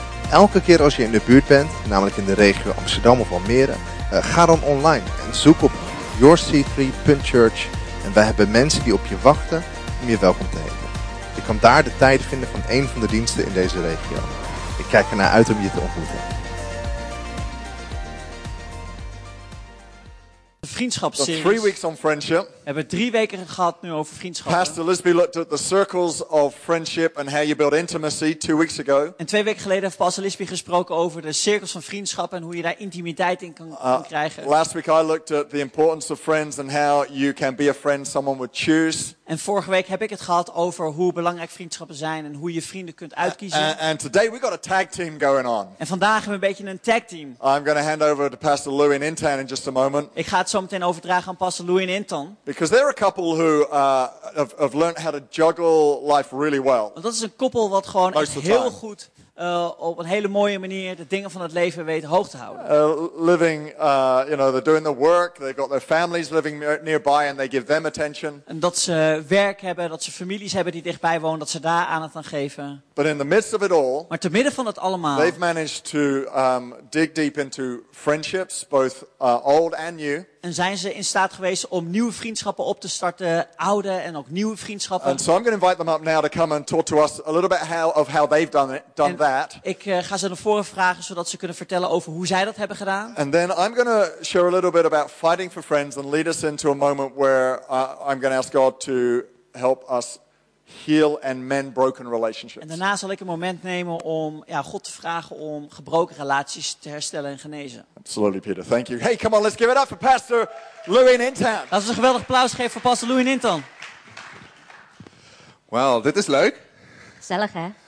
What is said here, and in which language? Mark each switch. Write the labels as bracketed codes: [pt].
[nl] Elke keer als je in de buurt bent, namelijk in de regio Amsterdam of Almere, ga dan online en zoek op yourc3.church en wij hebben mensen die op je wachten om je welkom te heten. Je kan daar de tijd vinden van één van de diensten in deze regio. Ik kijk ernaar uit om je te ontmoeten. Vriendschapsserie. [en] Three weeks on friendship. [nl] We hebben 3 weken gehad nu over vriendschappen. [en] Pastor Lisby looked at the circles of friendship and how you build intimacy 2 weeks ago. [nl] En 2 weken geleden heeft Pastor Lisby gesproken over de cirkels van vriendschap en hoe je daar intimiteit in kan krijgen. [en] Last week I looked at the importance of friends and how you can be a friend someone would choose. [nl] En vorige week heb ik het gehad over hoe belangrijk vriendschappen zijn en hoe je vrienden kunt uitkiezen. [en] And today we got a tag team going on. [nl] En vandaag hebben we een beetje een tag team. [en] I'm going to hand over to Pastor Louis and Intan in just a moment. [nl] Ik ga het zo meteen overdragen aan Pastor Louis en Intan. [en] Because they're a couple who have learned how to juggle life really well. [nl] Want dat is een koppel wat gewoon heel goed op een hele mooie manier de dingen van het leven weten hoog te houden. [en] They're doing the work, they've got their families living nearby and they give them attention. [nl] En dat ze werk hebben, dat ze families hebben die dichtbij wonen, dat ze daar aandacht aan geven. [en] But in the midst of it all, [nl] maar te midden van het allemaal, [en] they've managed to dig deep into friendships, both old and new. [nl] En zijn ze in staat geweest om nieuwe vriendschappen op te starten, oude en ook nieuwe vriendschappen. [en] And so I'm going to invite them up now to come and talk to us a little bit how they've done that. [nl] Ik ga ze naar voren vragen zodat ze kunnen vertellen over hoe zij dat hebben gedaan. [en] And then I'm going to share a little bit about fighting for friends and lead us into a moment where I'm going to ask God to help us heal and mend broken relationships. [nl] En daarna zal ik een moment nemen om God te vragen om gebroken relaties te herstellen en genezen. [en] Absolutely, Peter. Thank you. Hey, come on, let's give it up for Pastor Louis and Intan. [nl] Laten we een geweldig applaus geven voor Pastor Louis en Intan. Wel, dit is leuk. Gezellig, hè?